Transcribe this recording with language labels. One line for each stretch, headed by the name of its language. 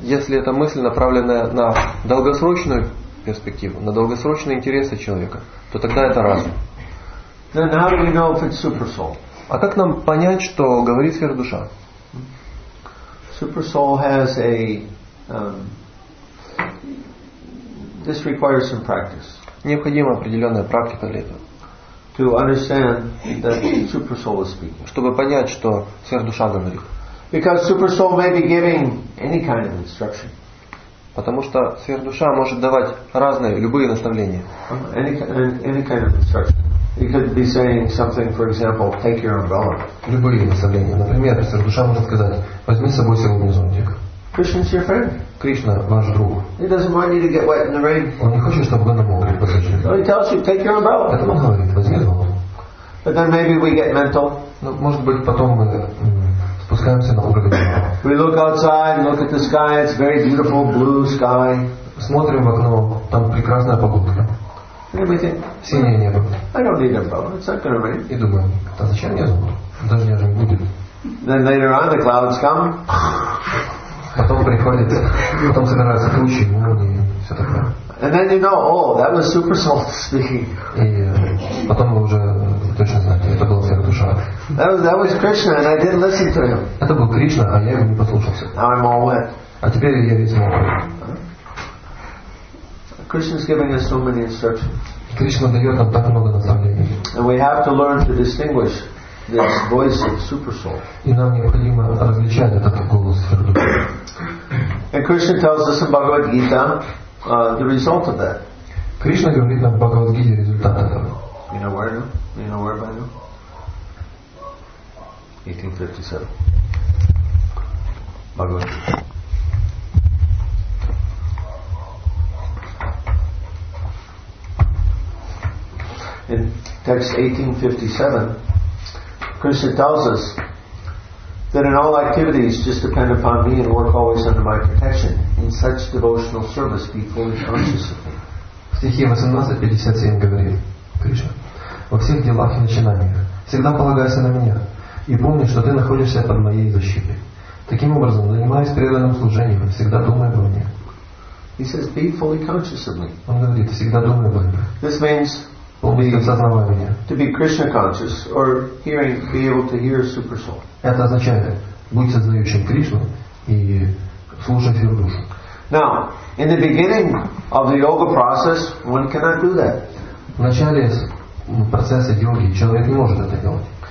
Russian: Если это мысль, направленная на долгосрочную перспективу, на долгосрочные интересы человека, то тогда это разум.
English: Then how do we know if it's super soul?
Russian: А как нам понять, что говорит сверхдуша?
English: Super soul has a this requires some practice.
Russian: Необходима определенная практика для этого.
English: To understand that super soul is speaking.
Russian: Чтобы понять, что сверхдуша говорит.
English: Because super soul may be giving any kind of instruction.
Russian: Потому что сверхдуша может давать разные любые наставления.
English: Any kind of instruction. It could be saying something, for example, take your umbrella.
Russian: Любые наставления. Например, сверхдуша может сказать, возьми с собой сегодня зонтик.
English: Krishna's your friend.
Russian: Кришна ваш друг.
English: He doesn't want you to get wet in the rain.
Russian: Он не хочет, чтобы вы намокли под дождем.
English: So he tells you, take your umbrella.
Russian: Так он говорит, возьми зонт.
English: But then maybe we get mental.
Russian: Ну, может быть, потом мы спускаемся на уровень.
English: We look outside, look at the sky. It's very beautiful, blue sky.
Russian: Смотрим в окно, там прекрасная погода.
English: And we think,
Russian: синее небо.
English: I don't need an umbrella. It's not going to rain.
Russian: И думаем, да зачем мне зонт? Дождя же не будет.
English: Then later on, the clouds come.
Russian: Потом приходит, потом собираются тучи, молнии, все такое.
English: And then you know, oh, that was super soul speaking.
Russian: И потом вы уже точно знаете, это была сверхдуша.
English: That was Krishna, and I didn't listen to him.
Russian: Это был Кришна, а я его не послушался.
English: Now I'm all wet.
Russian: А теперь я весь мокрый.
English: Krishna's giving us so many instructions.
Russian: Кришна дает нам так много наставлений.
English: And we have to learn to distinguish this voice of super soul.
Russian: И нам необходимо различать этот голос сверхдуши.
English: And Krishna tells us in Bhagavad Gita the result of that.
Russian: Кришна говорит нам в Бхагавад Гите результат этого.
English: You know where by now? 1857. Bhagavad Gita. In in text 1857, Krishna tells us that in all activities, just depend upon me and work always under my protection. In such devotional service, be fully conscious of me.
Russian: В стихе 1857 говорит Кришна: во всех делах и начинаниях всегда полагайся на меня и помни, что ты находишься под моей защитой. Таким образом, занимаясь преданным служением, всегда думай обо мне.
English: He says, be fully conscious of me.
Russian: Он говорит: всегда думай обо мне.
English: This means to be Krishna conscious or hearing, be able to hear super soul.
Russian: Это означает быть сознающим Кришну и слушать Его душу.
English: Now, in the beginning of the yoga process, one cannot do that.
Russian: В начале процесса йоги человек не может это делать.